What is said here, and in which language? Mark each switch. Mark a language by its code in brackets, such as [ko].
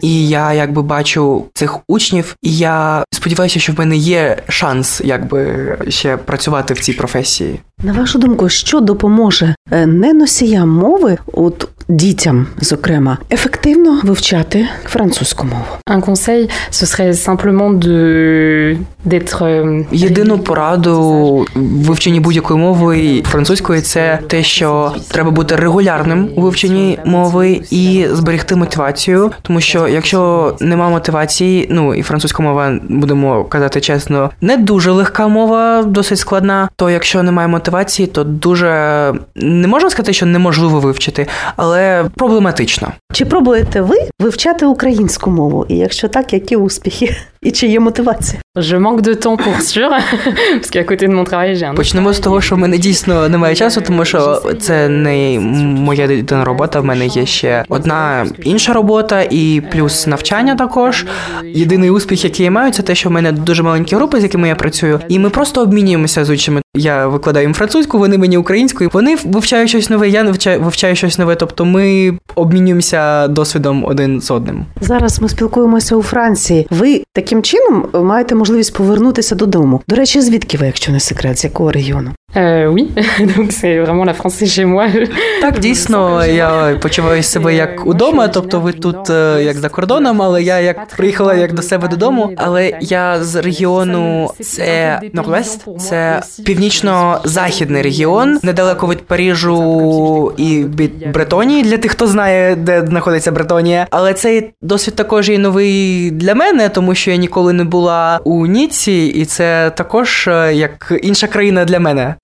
[uk] І я якби бачу цих учнів, і я сподіваюся, що в мене є шанс якби ще працювати в цій професії. На вашу думку, що допоможе неносіям мови, от дітям, зокрема, ефективно вивчати французьку мову? [fr] Un conseil, ce serait simplement de d'être [uk] єдину пораду в вивченні будь-якої мови французької це те, що треба бути регулярним у вивченні мови і зберегти мотивацію, тому що якщо немає мотивації, ну, і французька мова, будемо казати чесно, не дуже легка мова, досить складна, то якщо немає мотивації, то дуже не можна сказати, що неможливо вивчити, але проблематично. Чи пробуєте ви вивчати українську мову? І якщо так, які успіхи? І чи є мотивація? [fr] Je manque de temps pour sûr, parce qu'à côté de mon travail, j'ai un. [uk] Почнемо з того, що в мене дійсно немає часу, тому що це не моя єдина робота, в мене є ще одна інша робота і плюс навчання також. Єдиний успіх, який я маю, це те, що в мене дуже маленькі групи, з якими я працюю, і ми просто обмінюємося з учнями. Я викладаю їм французьку, вони мені українською. Вони вивчають щось нове, я вивчаю щось нове, тобто ми обмінюємося досвідом один з одним. Зараз ми спілкуємося у Франції. Ви таким чином маєте можливість повернутися додому. До речі, звідки ви, якщо не секрет, з якого регіону? [fr] Oui, donc c'est vraiment la France chez moi. [uk] Так, дійсно, я почуваю себе як удома, тобто ви тут як за кордоном, але я як приїхала як до себе додому, але я з регіону це Nord-Ouest, це північно-західний регіон, недалеко від Парижу і від Бретонії, для тих, хто знає, де знаходиться Бретонія, але цей досвід також є новий для мене, тому що я ніколи не була у Ніці, і це також як інша країна для мене.